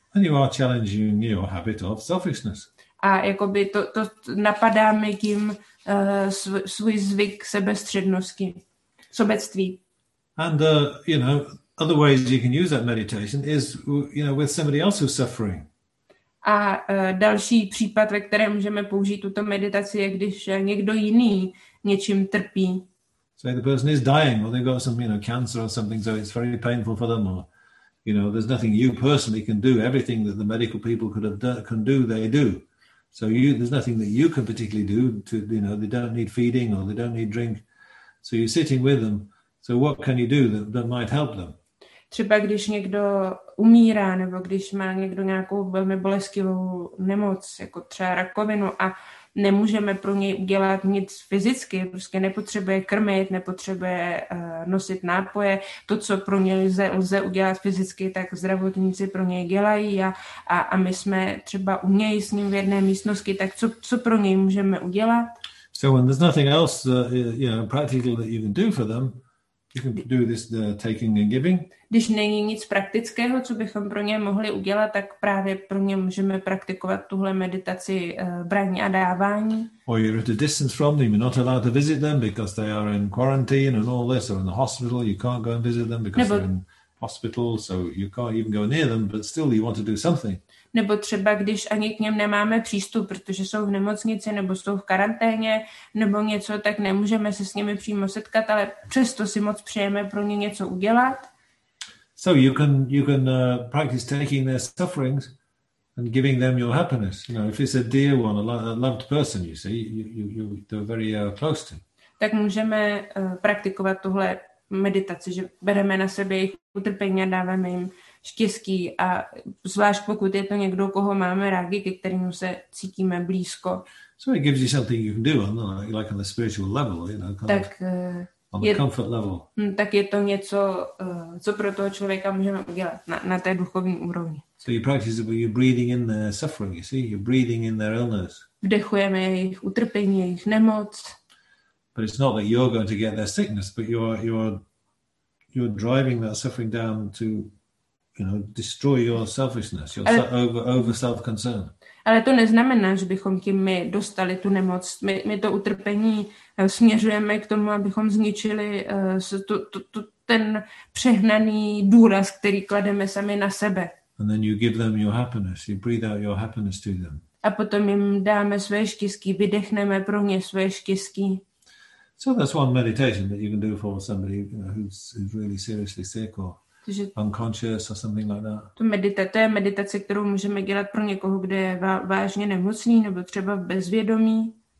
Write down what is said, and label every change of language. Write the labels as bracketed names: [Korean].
[English] And you are challenging your habit of selfishness. [Czech] A jakoby to napadá mi tím svůj zvyk sebestřednosti. Sobectví. [English] And you know, other ways you can use that meditation is, you know, with somebody else who's suffering. [Czech] A další případ, ve kterém můžeme použít tuto meditaci, je když někdo jiný něčím trpí. [English] So the person is dying, or they've got some, you know, cancer or something, so it's very painful for them. Or, you know, there's nothing you personally can do. Everything that the medical people can do, they do. So there's nothing that you can particularly do to, you know, they don't need feeding or they don't need drink. So you're sitting with them. So what can you do that might help them? [Czech] Třeba když někdo umírá nebo když má někdo nějakou velmi bolestivou nemoc, jako třeba rakovinu, a nemůžeme pro něj udělat nic fyzicky, prostě nepotřebuje krmit, nepotřebuje nosit nápoje. To, co pro něj lze udělat fyzicky, tak zdravotníci pro něj dělají a my jsme třeba u něj s ním v jedné místnosti, tak co pro něj můžeme udělat? [English] So when there's nothing else, you know, practical that you can do for them, you can do this taking and giving. [Czech] Když není nic praktického, co bychom pro ně mohli udělat, tak právě pro ně můžeme praktikovat tuhle meditaci braní a dávání. [English] Or you're at a distance from them, you're not allowed to visit them because they are in quarantine and all this, or in the hospital, you can't go and visit them because they're in hospital, so you can't even go near them, but still you want to do something. [Czech] Nebo třeba když ani k něm nemáme přístup, protože jsou v nemocnici nebo jsou v karanténě nebo něco, tak nemůžeme se s nimi přímo setkat, ale přesto si moc přejeme pro ně něco udělat. [English] So you can practice taking their sufferings and giving them your happiness. You know, if it's a dear one, a loved person, you see, you they're very close to. [Czech] Tak můžeme praktikovat tuhle meditaci, že bereme na sebe jejich utrpení a dáváme jim štěstí, a zvlášť pokud je to někdo, koho máme rádi, ke kterému se cítíme blízko. [English] So it gives you something you can do on like on the spiritual level, you know, comfort level. [Czech] Tak je to něco, co pro toho člověka můžeme udělat na té duchovní úrovni. [English] So you practice it, you're breathing in their suffering, you see, you're breathing in their illness. [Czech] Vdechujeme jejich utrpení, jejich nemoc. [English] But it's not that you're going to get their sickness, but you're driving that suffering down to, you know, destroy your selfishness, your over self-concern. [Czech] Ale to neznamená, že bychom tím my dostali tu nemoc. My to utrpení směřujeme k tomu, abychom zničili ten přehnaný důraz, který klademe sami na sebe. [English] And then you give them your happiness. You breathe out your happiness to them. [Czech] A potom jim dáme své štěstí, vydechneme pro ně své štěstí. [English] So that's one meditation that you can do for somebody, you know, who's really seriously sick or unconscious or something like that. [Czech] To meditace, to je meditace, kterou můžeme dělat pro někoho, kdo je vážně nemocný nebo třeba v bezvědomí.